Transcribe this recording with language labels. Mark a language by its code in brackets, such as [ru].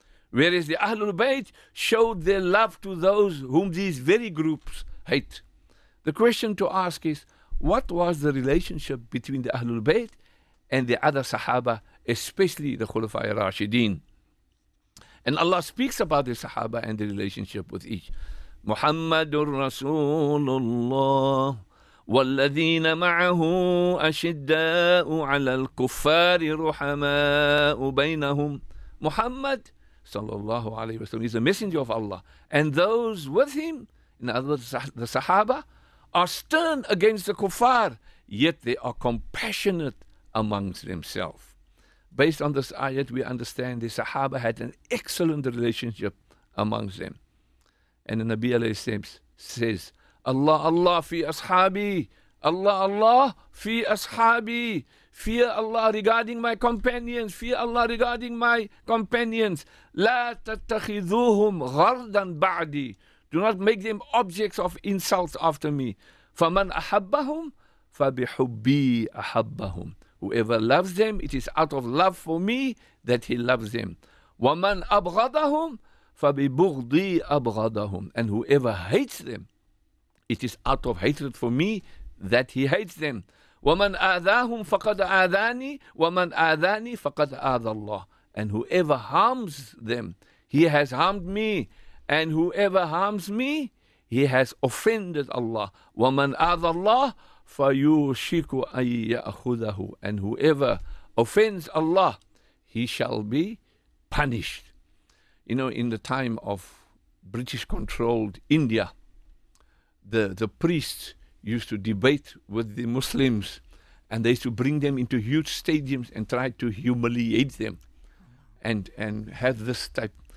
[en] Whereas the Ahlul Bayt showed their love to those whom these very groups hate. The question to ask is, what was the relationship between the Ahlul Bayt and the other Sahaba, especially the Khulafa'i Rashideen? And Allah speaks about the Sahaba and the relationship with each. [ar] Muhammadur Rasulullah والذين معه أشداء على الكفار رحماء بينهم. [en] Muhammad sallallahu alayhi wa sallam is a messenger of Allah, and those with him, in other words the Sahaba, are stern against the kuffar, yet they are compassionate amongst themselves. Based on this ayat, we understand the Sahaba had an excellent relationship amongst them. And the Nabi alayhi salam says, [ar] Allah, Allah, fi ashabi. Allah, Allah, fi ashabi. [en] Fear Allah regarding my companions. Fear Allah regarding my companions. [ar] لا تتخذوهم غردا بعدي. [en] Do not make them objects of insults after me. [ar] فمن أحبهم فبحبي أحبهم. [en] Whoever loves them, it is out of love for me that he loves them. [ar] ومن أبغضهم فببغضي أبغضهم. [en] And whoever hates them, it is out of hatred for me that he hates them. [ar] وَمَنْ آذَاهُمْ فَقَدْ آذَانِي وَمَنْ آذَانِي فَقَدْ آذَى اللَّهُ. [en] And whoever harms them, he has harmed me, and whoever harms me, he has offended Allah. [ar] وَمَنْ أَذَى اللَّهِ فَيُوشِكُ أَن يَأْخُذَهُ. [en] And whoever offends Allah, he shall be punished. You know, in the time of British-controlled India, the priests used to debate with the Muslims, and they used to bring them into huge stadiums and try to humiliate them and have this type.